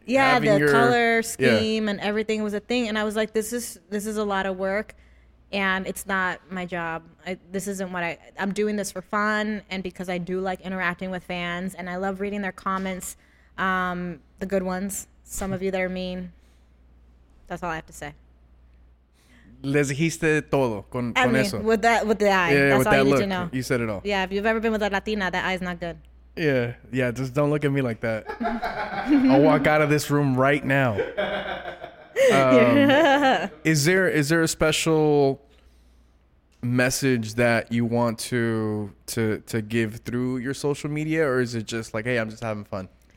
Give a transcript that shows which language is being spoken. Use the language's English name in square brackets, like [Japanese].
[English] color scheme and everything was a thing. And I was like, this is a lot of work and it's not my job. I'm doing this for fun. And because I do like interacting with fans and I love reading their comments, the good ones, some of you that are mean, that's all I have to say. [Spanish] Les dijiste todo con eso. [English] With the eye. That's all you need to know. You said it all. Yeah, if you've ever been with a Latina, that eye's not good. Yeah. Yeah, just don't look at me like that. I'll walk out of this room right now. is there a special message that you want to give through your social media, or is it just like, hey, I'm just having fun?